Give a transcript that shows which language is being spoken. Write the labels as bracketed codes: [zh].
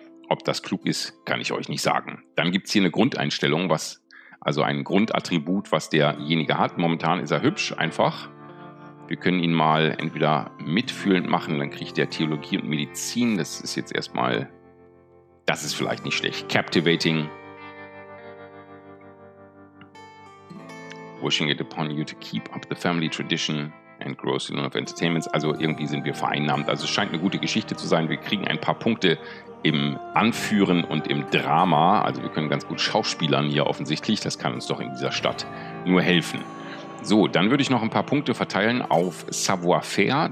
[de] Ob das klug ist, kann ich euch nicht sagen. Dann gibt es hier eine Grundeinstellung, also ein Grundattribut, was derjenige hat. Momentan ist er hübsch, einfach. Wir können ihn mal entweder mitfühlend machen, dann kriegt er Theologie und Medizin. Das ist jetzt erstmal, das ist vielleicht nicht schlecht. [en] Captivating. Wishing it upon you to keep up the family tradition and grow the loan of entertainments. [de] Also irgendwie sind wir vereinnahmt. Also es scheint eine gute Geschichte zu sein. Wir kriegen ein paar Punkte im Anführen und im Drama. Also wir können ganz gut schauspielern hier offensichtlich. Das kann uns doch in dieser Stadt nur helfen. So, dann würde ich noch ein paar Punkte verteilen auf Savoir-Faire.